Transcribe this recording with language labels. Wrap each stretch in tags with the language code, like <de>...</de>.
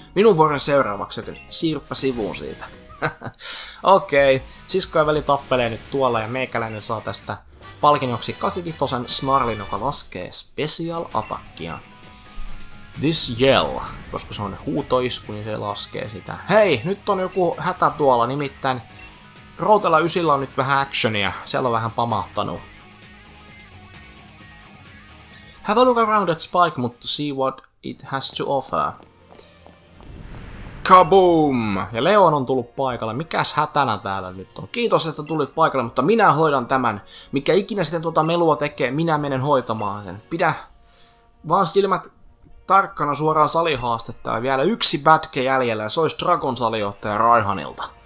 <fi>Minun vuoren seuraavaksi, joten siirryppä sivuun siitä. Okei, sisko ja veli tappelee nyt tuolla ja meikäläinen saa tästä palkinnoksi 85 Snarlin, joka laskee Special Attackia.</fi> <en>This yell,</en> <fi>koska se on huutoisku, niin se laskee sitä. Hei, nyt on joku hätä tuolla, nimittäin Routella ysillä on nyt vähän actionia, siellä on vähän pamahtanut.</fi> <en>Have a look around at Spike, but to see what it has to offer. Kaboom!</en> <fi>Ja Leon on tullut paikalle. Mikäs hätänä täällä nyt on? Kiitos, että tulit paikalle, mutta minä hoidan tämän. Mikä ikinä sitten tuota melua tekee, minä menen hoitamaan sen. Pidä vaan silmät tarkkana suoraan salihaastetta ja vielä yksi bätke jäljellä ja se olisi Dragon salijohtaja Raihanilta.</fi>